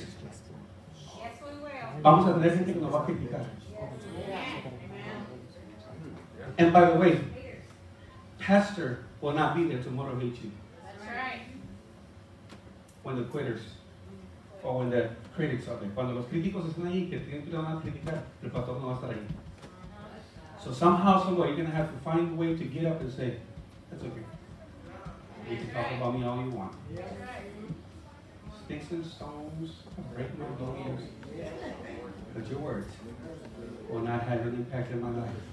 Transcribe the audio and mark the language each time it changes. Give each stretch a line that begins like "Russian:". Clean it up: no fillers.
English: Yes, we will.
Spanish: Vamos a tener gente que nos va a criticar.
English: And by the way, pastor will not be there to motivate you. When the quitters, or when the critics are there.
Spanish: Cuando los críticos están ahí, que tienen que van a criticar, el pastor no va a estar ahí.
English: So somehow, somewhere, you're going to have to find a way to get up and say, that's okay. You can talk about me all you want. Sticks and stones, break my bones, but your words will not have an impact in my life.